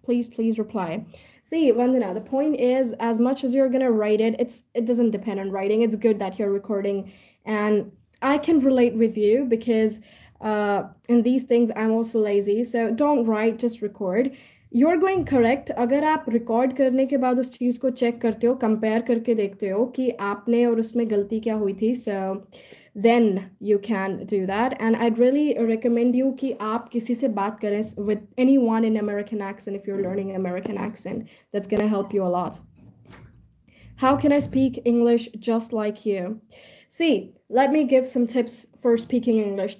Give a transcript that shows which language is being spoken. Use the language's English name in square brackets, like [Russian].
[English] Please, please reply. See, Vandana, the point is, as much as you're going to write it, it doesn't depend on writing. It's good that you're recording. And I can relate with you because in these things, I'm also lazy. So don't write, just record. You're going correct. [Hindi] अगर आप record करने के बाद उस चीज को check करते हो, compare करके देखते हो कि आपने और उसमें गलती क्या हुई थी, [English] so then you can do that. And I'd really recommend you [Hindi] कि आप किसी से बात करें [English] with anyone in American accent if you're learning American accent. That's gonna help you a lot. How can I speak English just like you? See, let me give some tips for speaking English.